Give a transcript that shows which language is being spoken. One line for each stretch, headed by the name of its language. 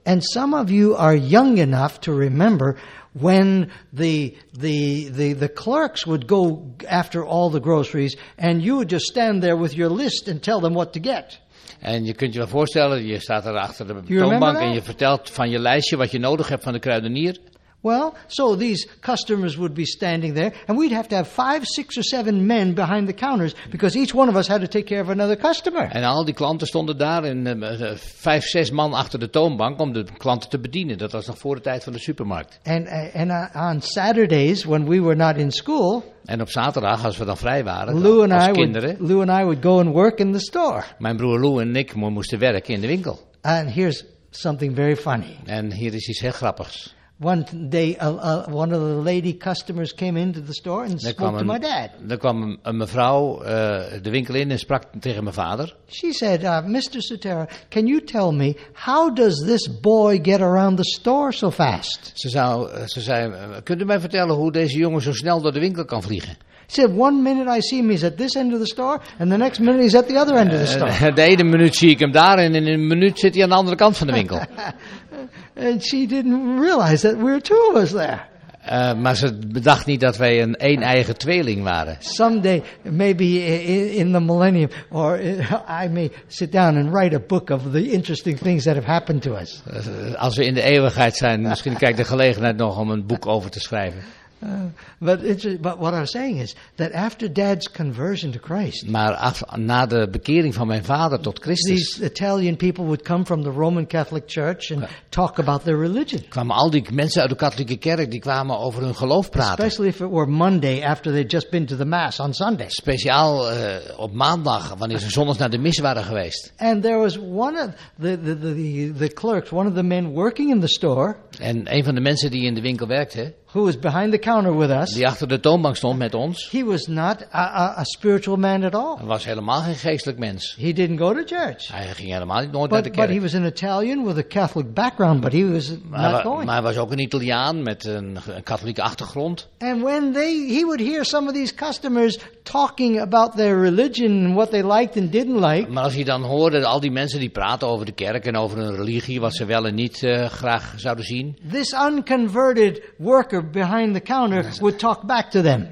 English: And some of you are young enough to remember when the clerks would go after all the groceries and you would just stand there with your list and tell them what to get.
Dutch: En je kunt je wel voorstellen, je staat er achter de toonbank en je vertelt van je lijstje wat je nodig hebt van de kruidenier.
English: Well, so these customers would be standing there and we'd have to have 5, 6 or 7 men behind the counters because each one of us had to take care of another customer.
Dutch: En al die klanten stonden daar en 5, 6 man achter de toonbank om de klanten te bedienen. Dat was nog voor de tijd van de supermarkt.
English: And on Saturdays when we were not in school.
Dutch: En op zaterdag, als we dan vrij waren,
English: Lou
Dutch: als kinderen.
English: Lou and I would go and work in the store.
Dutch: Mijn broer Lou en ik moesten werken in de winkel.
English: And here's something very funny.
Dutch: En hier is iets heel grappigs.
English: One day, one of the lady customers came into the store and spoke to my dad.
Dutch: Er kwam een mevrouw de winkel in en sprak tegen mijn vader.
English: She said, Mr. Sotera, can you tell me, how does this boy get around the store so fast?
Dutch: Ze zei, kunt u mij vertellen hoe deze jongen zo snel door de winkel kan vliegen?
English: She said, one minute I see him, he's at this end of the store, and the next minute he's at the other end of the store.
Dutch: De ene minuut zie ik hem daar en in een minuut zit hij aan de andere kant van de winkel.
English: And she didn't realize that we were two of us there.
Dutch: Maar ze bedacht niet dat wij een één-eigen tweeling waren.
English: Someday, maybe in the millennium, or I may sit down and write a book of the interesting things that have happened to us.
Dutch: Als we in de eeuwigheid zijn, misschien krijg ik de gelegenheid nog om een boek over te schrijven.
English: But what I'm saying is that after Dad's conversion to Christ,
Dutch: maar na de bekering van mijn vader tot Christus,
English: these Italian people would come from the Roman Catholic Church and talk about their religion.
Dutch: Kwamen al die mensen uit de katholieke kerk die kwamen over hun geloof praten.
English: Especially if it were Monday after they'd just been to the Mass on Sunday.
Dutch: Speciaal op maandag wanneer ze zondags naar de mis waren geweest.
English: And there was one of the clerks, one of the men working in the store.
Dutch: En een van de mensen die in de winkel werkte.
English: Who was behind the counter with us?
Dutch: Die achter de toonbank stond met ons.
English: He was not a spiritual man at all.
Dutch: Was helemaal geen geestelijk mens.
English: He didn't go to church.
Dutch: Hij ging helemaal niet nooit naar de kerk.
English: But he was an Italian with a Catholic background, but he was not going.
Dutch: Maar hij was ook een Italiaan met een katholieke achtergrond.
English: And when he would hear some of these customers talking about their religion and what they liked and didn't like.
Dutch: Maar als hij dan hoorde al die mensen die praten over de kerk en over hun religie wat ze wel en niet graag zouden zien.
English: This unconverted work behind the counter would talk back to them.